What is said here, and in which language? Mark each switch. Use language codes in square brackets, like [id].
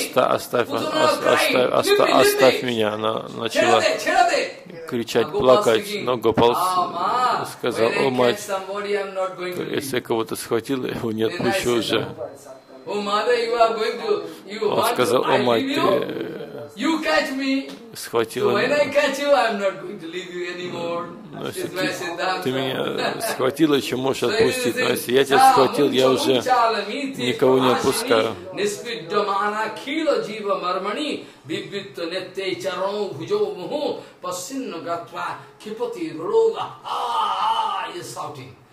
[ru] Оставь меня, она начала кричать, плакать, но Гопал сказал, о мать, если я кого-то схватил, его не отпущу уже. Он сказал, о мать, [en] You catch me. [ru] Схватила. [en] When I catch you, I'm not going to leave you anymore. [ru] Ты меня схватила, еще можешь отпустить. Но если я тебя схватил, я уже никого не отпускаю.